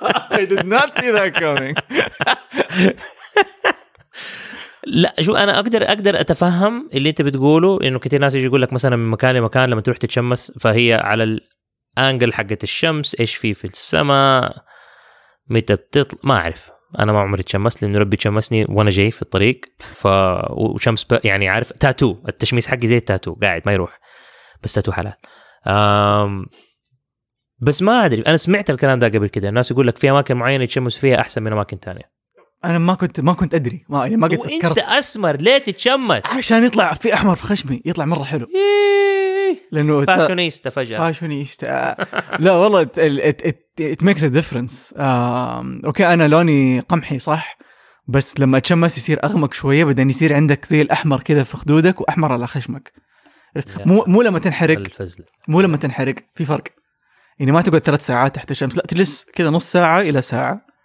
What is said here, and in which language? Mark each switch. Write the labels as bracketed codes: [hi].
[en] I did not see that coming. [ar] لا شو أنا أقدر أتفهم اللي أنت بتقوله إنه كتير ناس يجي يقول لك مثلاً من مكان لمكان لما تروح تتشمس فهي على الأنجل حقة الشمس إيش فيه في السماء متى بتطلع ما أعرف. أنا ما عمري تشمس لأنه ربي تشمسني وأنا جاي في الطريق وشمس يعني عارف تاتو التشميس حقي زي التاتو قاعد ما يروح بس تاتو حلال. بس ما أدري أنا سمعت الكلام ده قبل كده الناس يقول لك في أماكن معينة تشمس فيها أحسن من أماكن تانية. أنا ما كنت أدري ما يعني ما قد فكرت. وأنت أسمر ليه تتشمس؟ عشان يطلع في أحمر في خشمي يطلع مرة حلو. لأنه فاشونيستا فجأة. فاشونيستا لا والله [en] it makes a difference. [ar] أوكي أنا لوني قمحي صح بس لما تشمس يصير أغمق شوية بدأ يصير عندك زي الأحمر كذا في خدودك وأحمر على خشمك. مو لما تنحرق. الفزلة. مو لما تنحرق في فرق. يعني ما تقعد 3 ساعات تحت الشمس لا تجلس كذا نص ساعة إلى ساعة.